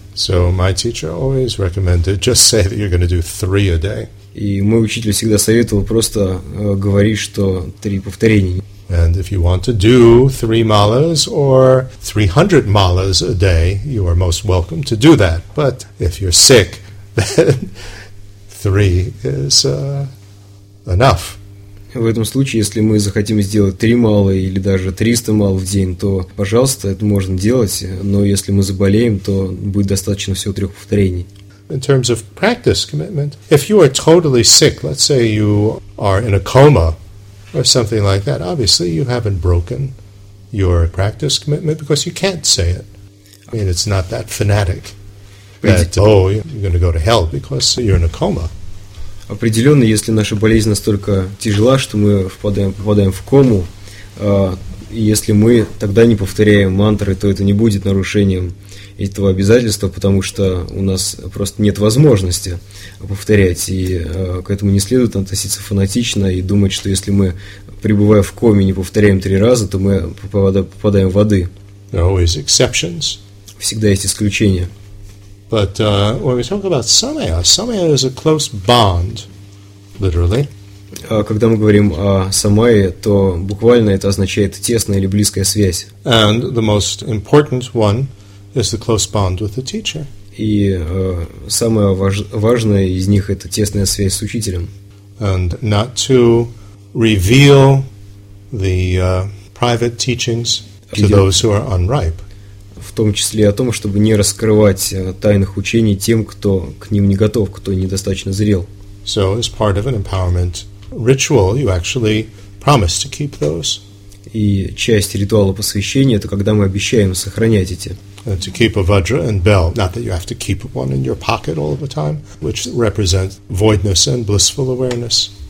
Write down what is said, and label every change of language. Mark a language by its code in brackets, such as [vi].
[en] So my teacher always recommended just say that you're going to do 3 a day. [ru] И мой учитель всегда советовал просто говорить, что 3 повторения. [en] And if you want to do 3 malas or 300 malas a day, you are most welcome to do that. But if you're sick, then 3 is enough. [ru] В этом случае, если мы захотим сделать 3 малы или даже 300 мал в день, то, пожалуйста, это можно делать, но если мы заболеем, то будет достаточно всего 3 повторений. [en] In terms of practice commitment, if you are totally sick, let's say you are in a coma or something like that, obviously you haven't broken your practice commitment because you can't say it. I mean, it's not that fanatic that, oh, you're going to go to hell because you're in a coma. [ru] Определенно, если наша болезнь настолько тяжела, что мы попадаем в кому, если мы тогда не повторяем мантры, то это не будет нарушением этого обязательства, потому что у нас просто нет возможности повторять, и к этому не следует относиться фанатично и думать, что если мы пребывая в коме, не повторяем три раза, то мы попадаем в воды. [en] There are always exceptions. [ru] Всегда есть исключения. [en] But when we talk about samaya, samaya is a close bond, literally. [ru] Когда мы говорим о самае, то буквально это означает тесная или близкая связь. [en] And the most important one is the close bond with the teacher. [ru] И самое важное из них – это тесная связь с учителем. [en] And not to reveal the private teachings to those who are unripe. [ru] В том числе о том, чтобы не раскрывать тайных учений тем, кто к ним не готов, кто недостаточно зрел. [en] So as part of an empowerment ritual, you actually promise to keep those. [ru] И часть ритуала посвящения – это когда мы обещаем сохранять эти. [en] To keep a vajra and bell, not that you have to keep one in your pocket all the time, which represents voidness and blissful awareness.